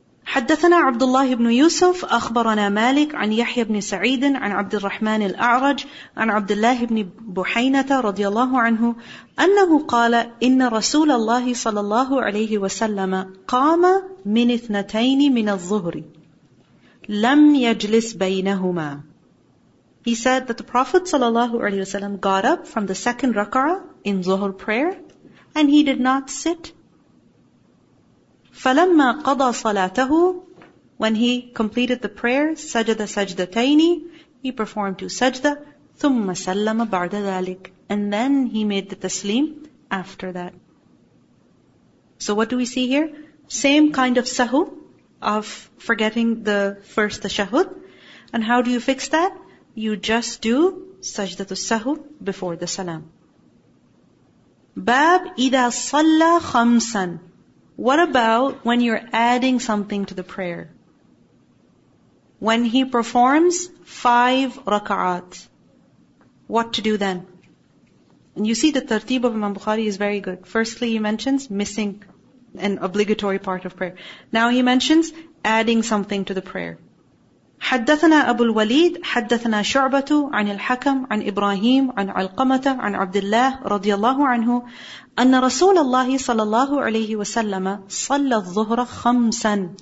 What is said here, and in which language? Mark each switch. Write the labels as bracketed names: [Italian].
[Arabic] حدثنا عبد الله بن يوسف أخبرنا مالك عن يحيى بن سعيد عن عبد الرحمن الأعرج عن عبد الله بن بحينة رضي الله عنه أنه قال إن رسول الله صلى الله عليه وسلم قام من اثنتين من الظهر لم يجلس بينهما. [English] He said that the Prophet ﷺ got up from the second rak'ah in Zuhr prayer and he did not sit. [Arabic] فَلَمَّا قَضَى صَلَاتَهُ, [English] when he completed the prayer, [Arabic] سَجَدَ سَجْدَتَيْنِ, [English] he performed two sajda, [Arabic] ثُمَّ سَلَّمَ بَعْدَ ذَلِكَ, [English] and then he made the taslim after that. So what do we see here? Same kind of sahu, of forgetting the first tashahud. And how do you fix that? You just do sajdatu sahu before the salam. [Arabic] Bab إِذَا صَلَّى خَمْسًا. [English] What about when you're adding something to the prayer? When he performs five rak'at, what to do then? And you see the tartib of Imam Bukhari is very good. Firstly, he mentions missing an obligatory part of prayer. Now he mentions adding something to the prayer. [Arabic] حدثنا أبو الوليد حدثنا شعبة عن الحكم عن إبراهيم عن علقمة عن عبد الله رضي الله عنه أن رسول الله صلى الله عليه وسلم صلى الظهر خمسا.